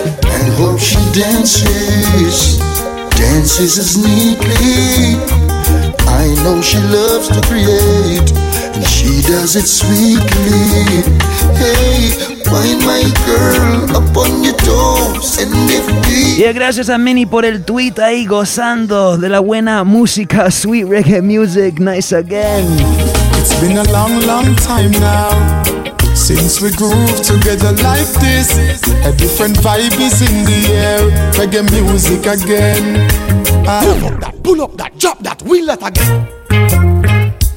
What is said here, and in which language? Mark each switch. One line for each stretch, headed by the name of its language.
English: I hope she dances, dances as neatly. I know she loves to create, and she does it sweetly. Hey, find my girl upon your toes and lift me.
Spanish: Yeah, gracias a Minnie por el tweet ahí gozando de la buena música,
English: sweet reggae music, nice again. It's been a long, long time now since we groove together like this. A different vibe is in the air, reggae music again. Pull up that, drop that, wheel that again.